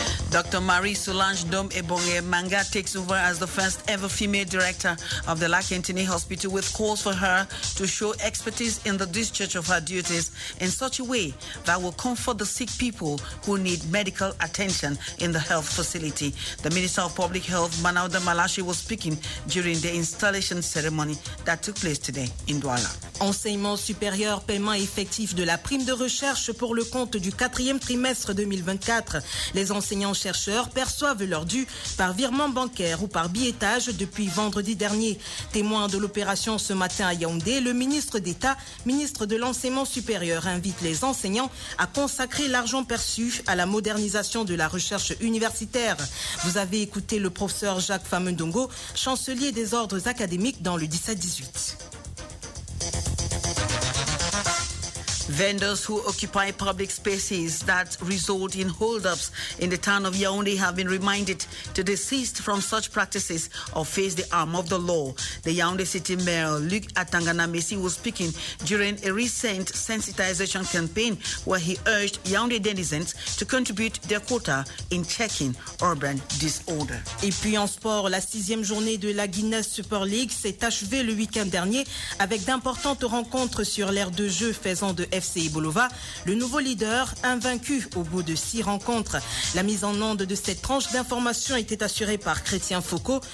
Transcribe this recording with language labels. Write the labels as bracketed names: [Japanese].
[English] Dr. Marie Solange Dom Ebonge Manga takes over as the first ever female director of the Lakentini Hospital, with calls for her to show expertise in the discharge of her duties in such a way that will comfort the sick people who need medical attention in the health facility. The Minister of Public Health, Manaudu Malachi, was speaking during the installation ceremony that took place today in Douala. [French] Enseignement supérieur, paiement effectif de la prime de recherche pour le compte du quatrième trimestre 2024. Les enseignants chercheurs perçoivent leur dû par virement bancaire ou par billettage depuis vendredi dernier. Témoin de l'opération ce matin à Yaoundé, le ministre d'État, ministre de l'enseignement supérieur, invite les enseignants à consacrer l'argent perçu à la modernisation de la recherche universitaire. Vous avez écouté le professeur Jacques Famundongo, chancelier des ordres académiques dans le 17-18. [English] Vendors who occupy public spaces that result in holdups in the town of Yaoundé have been reminded to desist from such practices or face the arm of the law. The Yaoundé City Mayor, Luc Atanganamesi, was speaking during a recent sensitization campaign where he urged Yaoundé denizens to contribute their quota in checking urban disorder. [French] Et puis en sport, la sixième journée de la Guinness Super League s'est achevée le week-end dernier avec d'importantes rencontres sur l'aire de jeu faisant de FC Ibolova, le nouveau leader invaincu au bout de 6 rencontres. La mise en onde de cette tranche d'information était assurée par Chrétien Foucault.